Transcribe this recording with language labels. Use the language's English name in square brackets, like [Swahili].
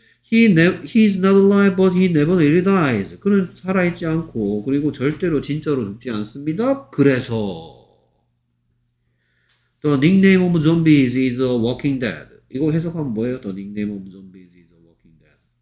[English] he's not alive but he never really dies. [Korean] 그는 살아있지 않고 그리고 절대로 진짜로 죽지 않습니다. [English] 그래서 the nickname of zombies is a walking dead. [Korean] 이거 해석하면 뭐예요? [English] The nickname of zombies is a walking dead.